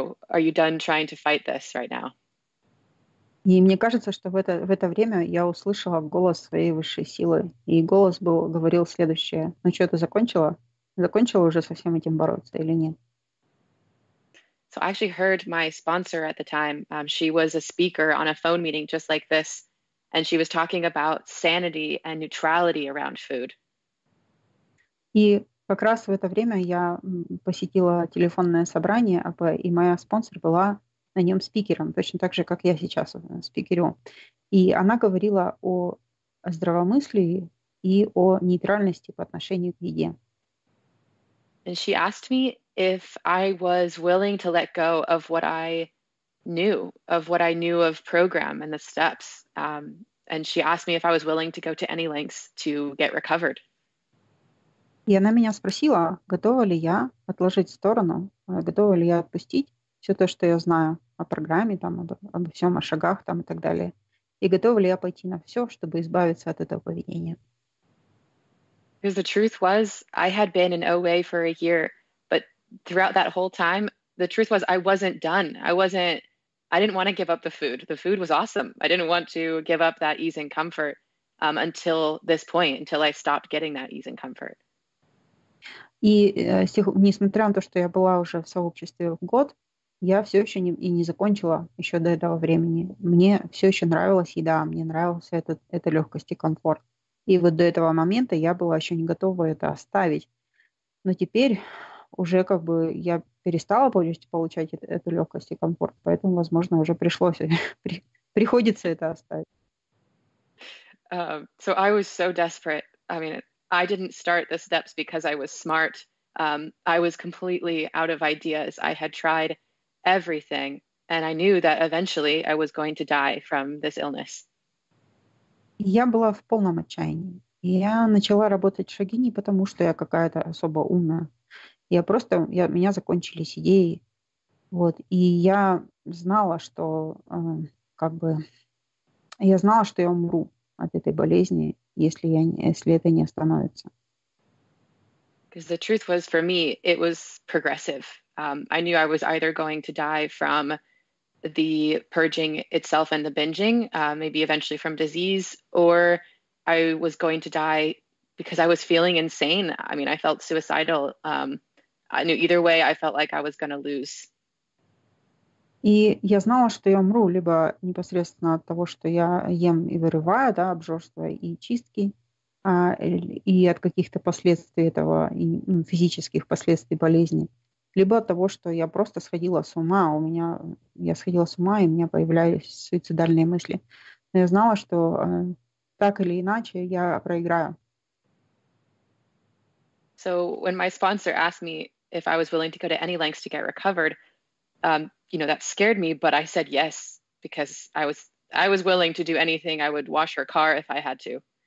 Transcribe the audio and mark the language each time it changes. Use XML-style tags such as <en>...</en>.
<en>are you done trying to fight this right now?</en> <ru>И мне кажется, что в это время я услышала голос своей высшей силы, и голос говорил следующее: ну что, ты закончила? Закончила уже со всем этим бороться или нет?</ru> <en>So I actually heard my sponsor at the time. She was a speaker on a phone meeting just like this. And she was talking about sanity and neutrality around food.</en> <ru>И как раз в это время я посетила телефонное собрание, и моя спонсор была на нем спикером, точно так же, как я сейчас спикерю. И она говорила о здравомыслии и о нейтральности по отношению к еде.</ru> <en>And she asked me if I was willing to let go of what I knew, of program and the steps. And she asked me if I was willing to go to any lengths to get recovered.</en> <ru>И она меня спросила, готова ли я отложить в сторону, готова ли я отпустить все то, что я знаю о программе, там, обо всем, о шагах там, и так далее. И готова ли я пойти на все, чтобы избавиться от этого поведения.</ru> <en>Because the truth was, I had been in OA for a year, but throughout that whole time, the truth was, I wasn't done. I didn't want to give up the food. The food was awesome. I didn't want to give up that ease and comfort until this point, until I stopped getting that ease and comfort.</en> <ru>И несмотря на то, что я была уже в сообществе год, я все еще не закончила еще до этого времени. Мне все еще нравилась еда, мне нравился эта легкость и комфорт. И вот до этого момента я была еще не готова это оставить. Но теперь уже как бы я перестала получать эту легкость и комфорт, поэтому, возможно, уже приходится это оставить.</ru> <en>So I was so desperate. I mean, I didn't start the steps because I was smart. I was completely out of ideas. I had tried everything, and I knew that eventually I was going to die from this illness.</en> <ru>Я была в полном отчаянии. Я начала работать в шаги не потому, что я какая-то особо умная. У меня закончились идеи. Вот. И я знала, что я знала, что я умру от этой болезни, если это не остановится.</ru> <en>Because the truth was for me, it was progressive. I knew I was either going to die from the purging itself and the binging, maybe eventually from disease, or I was going to die because I was feeling insane. I mean, I felt suicidal. I knew either way, I felt like I was going to lose.</en> <ru>И я знала, что я умру либо непосредственно от того, что я ем и вырываю, да, обжорство и чистки, и от каких-то последствий этого, и, ну, физических последствий болезни, либо от того, что я просто сходила с ума, я сходила с ума, и у меня появлялись суицидальные мысли. Но я знала, что так или иначе я проиграю.</ru> <en>So when my sponsor asked me if I was willing to go to any lengths to get recovered, that scared me, but I said yes because I was willing to do anything. I would wash her car if I had to.</en>